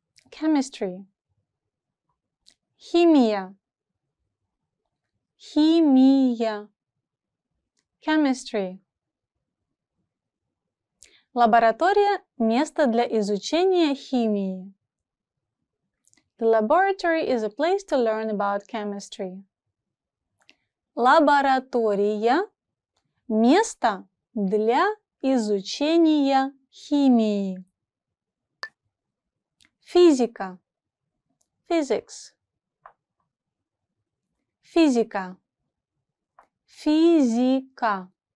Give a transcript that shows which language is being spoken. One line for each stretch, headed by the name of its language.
English: Chemistry.
Russian: Химия. Химия.
English: Chemistry.
Russian: Лаборатория – место для изучения химии.
English: The laboratory is a place to learn about chemistry.
Russian: Лаборатория – место для изучения химии. Физика.
English: Physics.
Russian: Физика. Физика.